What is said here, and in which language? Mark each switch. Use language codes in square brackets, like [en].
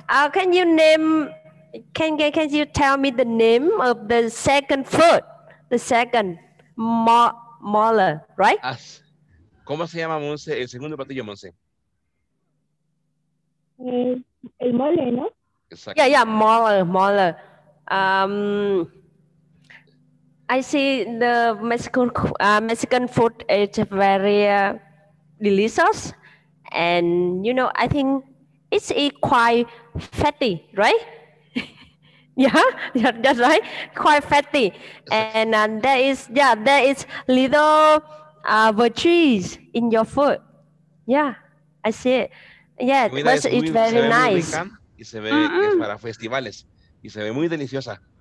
[en] Can you tell me the name of the second food? The second molar, right? [es] As, ¿cómo se llama Monse, el segundo platillo, Monse? El mole, ¿no? [en] Exactly. Yeah, molar. I see the Mexican food is very delicious, and you know, I think it's quite fatty, right? yeah, that's right, quite fatty, and there is little veggies in your food. Yeah, I see it. Yeah, but it's very nice. [es] Y se ve que es para festivales y se ve muy deliciosa.